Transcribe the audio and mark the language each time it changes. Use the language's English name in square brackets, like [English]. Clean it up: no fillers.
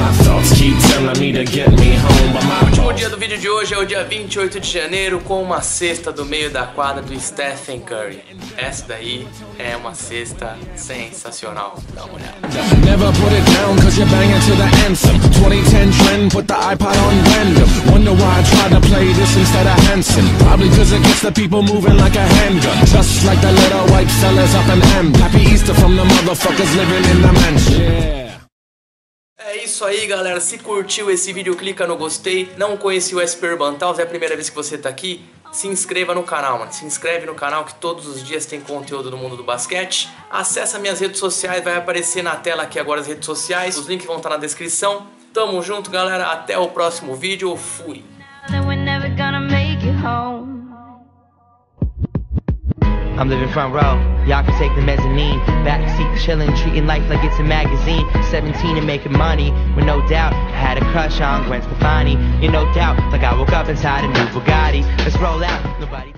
[Portuguese] Último dia do vídeo de hoje é o dia 28 de janeiro com uma cesta do meio da quadra do Stephen Curry. Essa daí é uma cesta sensacional. Dá uma olhada. [English] Never put it down cause you're banging to the anthem. 2010 trend, put the iPod on random. Wonder why I try to play this instead of Hanson. Probably cause it gets the people moving like a handgun. Just like the little white sellers up in M. Happy Easter from the motherfuckers living in the mansion. [Portuguese] É isso aí, galera, se curtiu esse vídeo, clica no gostei. Não conheci o SP Urban Towns, é a primeira vez que você tá aqui, se inscreva no canal, mano. Se inscreve no canal que todos os dias tem conteúdo do mundo do basquete. Acessa minhas redes sociais, vai aparecer na tela aqui agora as redes sociais. Os links vão estar na descrição. Tamo junto, galera, até o próximo vídeo, fui! [English] I'm living front row, y'all can take the mezzanine. Backseat chillin', treating life like it's a magazine. 17 and making money, with no doubt I had a crush on Gwen Stefani. In no doubt, like I woke up inside a new Bugatti. Let's roll out, nobody...